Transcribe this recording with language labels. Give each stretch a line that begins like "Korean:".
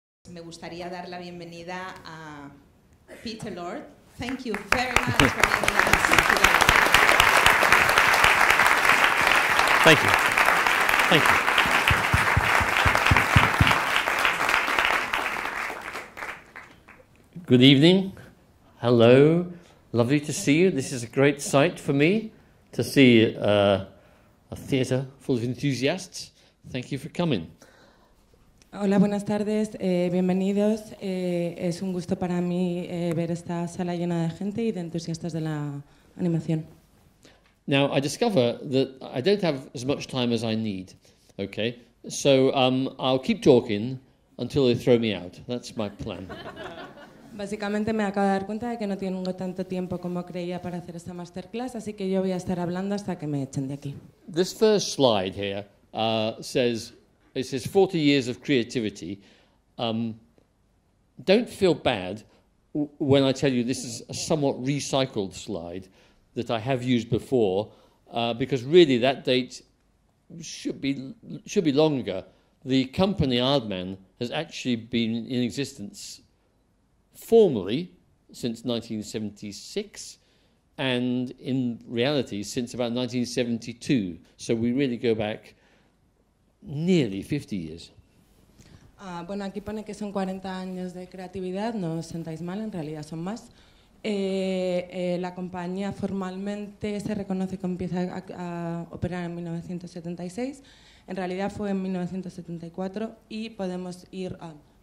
Spanish: Me gustaría dar la bienvenida a Peter Lord.
English: Thank you very much for being with us today. Thank you. Thank you. Good evening. Hello. Lovely to see you. This is a great sight for me to see a theater full of enthusiasts. Thank you for coming.
Spanish: Hola, buenas tardes. Bienvenidos. Es un gusto para mí ver esta sala llena de gente y de entusiastas de la animación.
English: Now, I discover that I don't have as much time as I need, okay? So I'll keep talking until they throw me out. That's my plan.
Spanish: Básicamente me acabo de dar cuenta de que no tengo tanto tiempo como creía para hacer esta masterclass, así que yo voy a estar hablando hasta que me echen de aquí.
English: This first slide here says 40 years of creativity. Don't feel bad when I tell you this is a somewhat recycled slide that I have used before, because really that date should be longer. The company Aardman has actually been in existence formally since 1976, and in reality since about 1972. So we really go back nearly 50 years.
Spanish: Bueno, aquí pone que son 40 años de creatividad. No os sentáis mal, en realidad son más. La compañía formalmente se reconoce que empieza a operar en 1976. En realidad fue en 1974 y podemos ir a